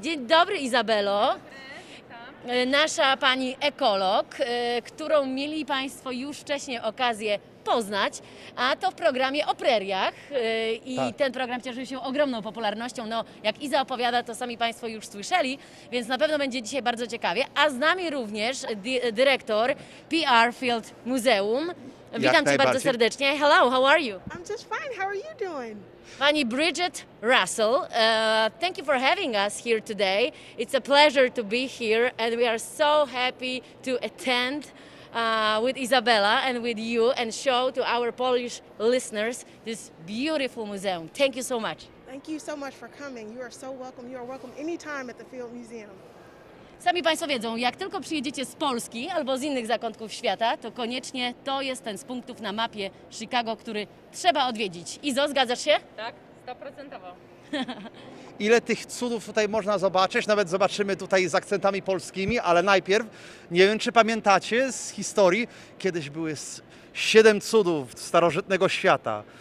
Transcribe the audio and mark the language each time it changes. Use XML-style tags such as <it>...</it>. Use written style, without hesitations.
<pl>Dzień dobry, Izabelo. Nasza pani ekolog, którą mieli Państwo już wcześniej okazję poznać, a to w programie o preriach. I tak. Ten program cieszył się ogromną popularnością. No, jak Iza opowiada, to sami Państwo już słyszeli, więc na pewno będzie dzisiaj bardzo ciekawie. A z nami również dyrektor PR Field Museum. Witam Cię bardzo serdecznie.</pl> <en>Hello, how are you? I'm just fine. How are you doing? Pani Bridget Russell, thank you for having us here today. It's a pleasure to be here and we are so happy to attend with Izabela and with you and show to our Polish listeners this beautiful museum. Thank you so much. Thank you so much for coming. You are so welcome. You are welcome anytime at the Field Museum.</en> <pl>Sami Państwo wiedzą, jak tylko przyjedziecie z Polski albo z innych zakątków świata, to koniecznie to jest ten z punktów na mapie Chicago, który trzeba odwiedzić. Izo, zgadzasz się? Tak, 100%. Ile tych cudów tutaj można zobaczyć? Nawet zobaczymy tutaj z akcentami polskimi, ale najpierw, nie wiem czy pamiętacie z historii, kiedyś były 7 cudów starożytnego świata.</pl>